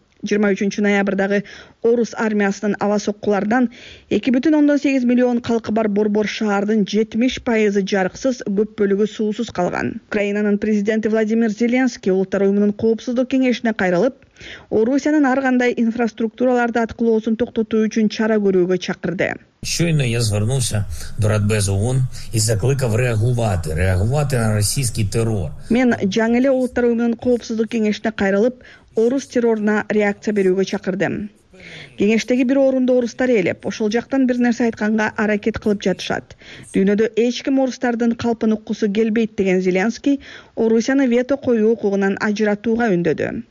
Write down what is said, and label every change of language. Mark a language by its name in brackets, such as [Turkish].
[Kyrgyz] 23-ноябрдагы орус армиясынын аба соккулардан 2,8 миллион калкы бар Борбор шаардын 70% жарыксыз, көп бөлүгү суусуз калган. Украинанын президенти Владимир Зеленский Улуттар уюмунун коопсуздук кеңешине кайрылып, Орусиянын ар кандай инфраструктураларды аткылоосун токтотуу үчүн чара көрүүгө чакырды. [Ukrainian] Щойно я звернувся до Радбез ООН і закликав реагувати на російський терор. [Kyrgyz] Мен жаңы эле Улуттар уюмунун коопсуздук кеңешине кайрылып, орус террорна реакция берүүгө чакырдым. Кеңештеги бир орунду орустар ээлеп, ошол жактан бир нерсе айтканга аракет кылып жатышат. Дүйнөдө эч ким орустардын калпын уккусу келбейт деген Зеленский Орусияны вето коюу укугунан ажыратууга үндөдү.